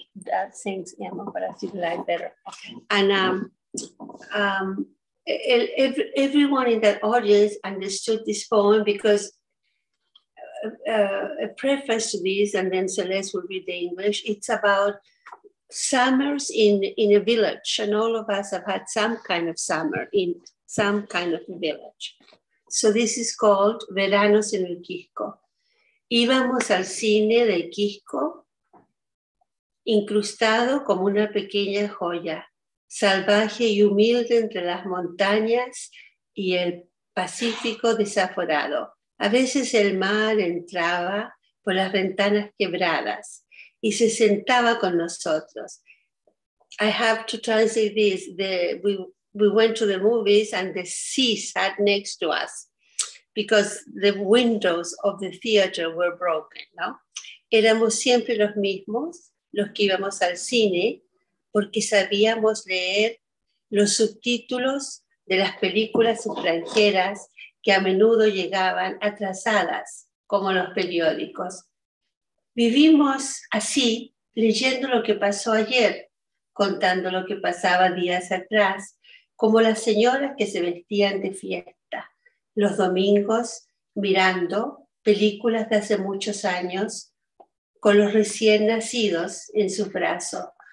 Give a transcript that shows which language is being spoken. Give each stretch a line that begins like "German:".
English: That thing's Emma, but I think like better. Okay. And everyone in that audience understood this poem because a preface to this, and then Celeste will read the English. It's about summers in a village, and all of us have had some kind of summer in some kind of village. So this is called Veranos en el Quisco.
Spanish: Íbamos al cine de Quisco, incrustado como una pequeña joya, salvaje y humilde entre las montañas y el Pacífico desaforado. A veces el mar entraba por las ventanas quebradas y se sentaba con nosotros.
English: I have to translate this. We went to the movies and the sea sat next to us because the windows of the theater were broken, ¿no?
Spanish: Éramos siempre los mismos los que íbamos al cine porque sabíamos leer los subtítulos de las películas extranjeras que a menudo llegaban atrasadas, como los periódicos. Vivimos así, leyendo lo que pasó ayer, contando lo que pasaba días atrás, como las señoras que se vestían de fiesta, los domingos mirando películas de hace muchos años, con los recién nacidos en sus brazos.